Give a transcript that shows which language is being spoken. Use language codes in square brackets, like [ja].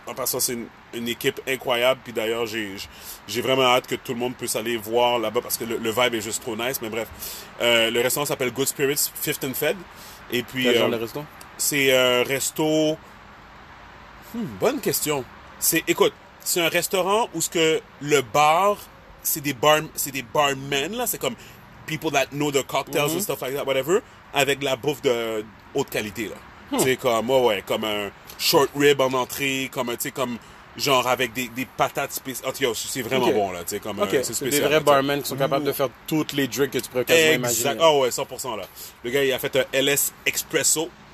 [fr] En passant, c'est une équipe incroyable. Puis d'ailleurs, j'ai vraiment hâte que tout le monde puisse aller voir là-bas parce que le vibe est juste trop nice. Mais bref, le restaurant s'appelle Good Spirits, Fifth and Fed. Et puis, quel genre de restaurant? C'est un resto. Bonne question. C'est un restaurant où ce que le bar, c'est des barmen là. [en] C'est comme people that know the cocktails and stuff like that, whatever. [fr] Avec la bouffe de haute qualité là, tu sais comme comme un short rib en entrée, comme tu sais comme genre avec des patates spéciales. Oh, c'est vraiment bon là, tu sais comme c'est spécial. C'est des vrais barmen qui sont capables de faire toutes les drinks que tu pourrais quasiment imaginer. Ah 100% là. Le gars il a fait un LS espresso.